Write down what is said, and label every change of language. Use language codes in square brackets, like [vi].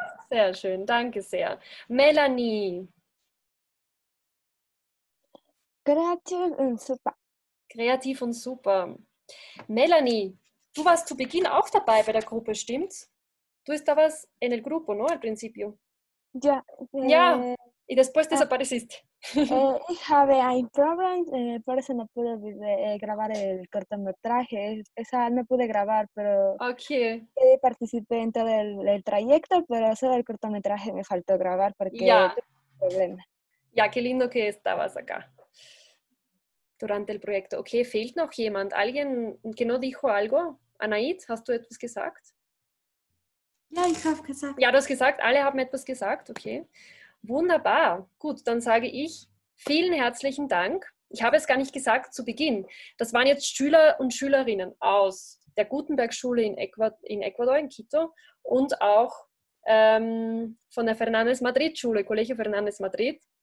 [de] Sehr schön. Danke sehr. Melanie. Kreativ und super. Kreativ und super. Melanie, du warst zu Beginn auch dabei bei der Gruppe, stimmt's? Du bist da was [es] in el grupo, no? Al principio. [de] Ja. Ja. [es] Y después desapareciste. [de] Ich habe ein Problem. [es] Por eso no pude grabar el cortometraje. Esa no pude grabar, pero. Okay. Participé en todo el trayecto, pero solo el cortometraje me faltó grabar porque. Ja. Problema. Ja, qué lindo que estabas acá. Durante el proyecto. [de] Okay, fehlt noch jemand? [es] Alguien que no dijo algo? [de] Anait, hast du etwas gesagt? Ja, ich habe gesagt. Ja, du hast gesagt, alle haben etwas gesagt, okay. Wunderbar. Gut, dann sage ich vielen herzlichen Dank. Ich habe es gar nicht gesagt zu Beginn. Das waren jetzt Schüler und Schülerinnen aus der Gutenberg-Schule in Ecuador, in Quito und auch von der Fernandes-Madrid-Schule, Colegio Fernandes-Madrid.